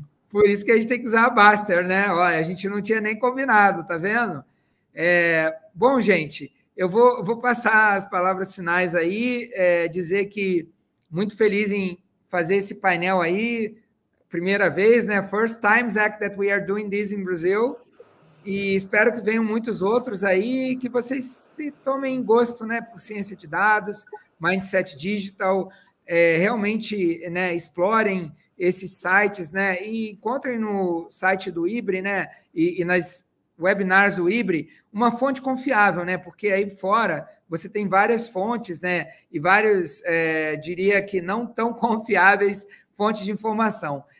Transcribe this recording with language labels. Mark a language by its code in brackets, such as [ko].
[pt] Por isso que a gente tem que usar a Baster, né? Olha, a gente não tinha nem combinado, tá vendo? Bom, gente, eu vou passar as palavras finais aí, dizer que muito feliz em fazer esse painel aí, primeira vez, né? [en] First time, Zach, that we are doing this in Brazil. [pt] E espero que venham muitos outros aí, que vocês se tomem gosto, né, por ciência de dados, mindset digital, realmente, né, explorem esses sites, né, e encontrem no site do Ibre, né, e nas webinars do Ibre, uma fonte confiável, né, porque aí fora você tem várias fontes, né, e várias, diria que não tão confiáveis fontes de informação.